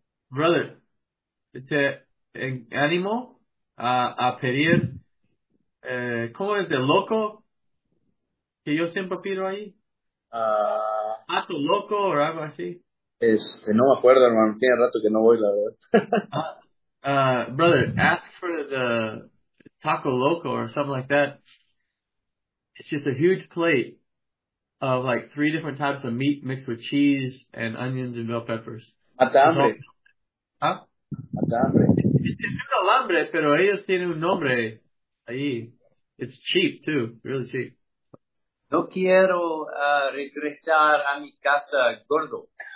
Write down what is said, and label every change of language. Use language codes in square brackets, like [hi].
[en] Brother, [es] te animo a pedir. ¿Cómo es de loco? Que yo siempre pido ahí. ¿Pato loco o algo así? No me acuerdo, hermano. Tiene rato que no voy, la verdad. [en] Brother, ask for the taco loco or something like that. It's just a huge plate of like three different types of meat mixed with cheese and onions and bell peppers. [es] Mata hambre. ¿Ah? Mata hambre. Es un alambre, pero ellos tienen un nombre ahí. [en] It's cheap too, really cheap. [es] No quiero regresar a mi casa gordo.